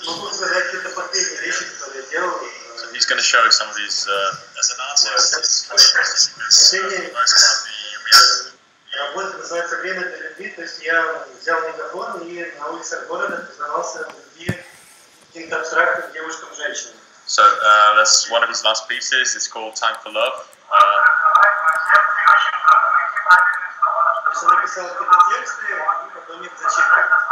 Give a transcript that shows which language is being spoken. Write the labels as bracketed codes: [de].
[en] So he's going to show some of these, as an artist, it's quite interesting because, for the most part, the reaction. [ru] Работа называется «Время для любви», то есть я взял микрофон и на улицах города признавался в любви каким-то абстрактным девушкам-женщинам. [en] So, that's one of his last pieces, it's called «Time for Love». [ru] То есть он написал какие-то тексты, и потом их зачитывает.